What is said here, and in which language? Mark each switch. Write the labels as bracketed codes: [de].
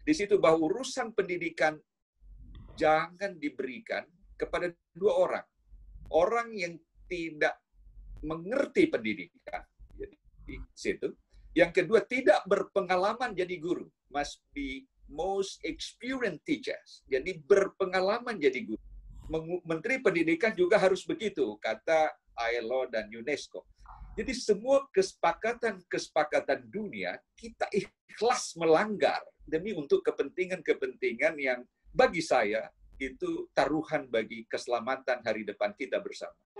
[id] di situ bahwa urusan pendidikan jangan diberikan kepada dua orang. Orang yang tidak mengerti pendidikan. Jadi, di situ. Yang kedua, tidak berpengalaman jadi guru. [en] Must be most experienced teachers. [id] Jadi berpengalaman jadi guru. Menteri Pendidikan juga harus begitu, kata ILO dan UNESCO. Jadi semua kesepakatan-kesepakatan dunia, kita ikhlas melanggar demi untuk kepentingan-kepentingan yang bagi saya itu taruhan bagi keselamatan hari depan kita bersama.